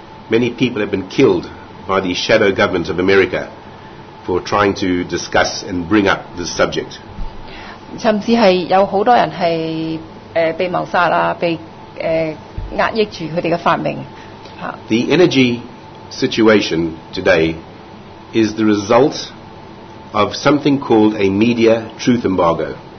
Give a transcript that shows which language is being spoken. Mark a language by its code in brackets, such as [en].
[en] Many people have been killed by the shadow government of America for trying to discuss and bring up this subject. [zh] 甚至是有很多人是被謀殺，被壓抑住他們的發明。 [en] The energy situation today is the result of something called a media truth embargo.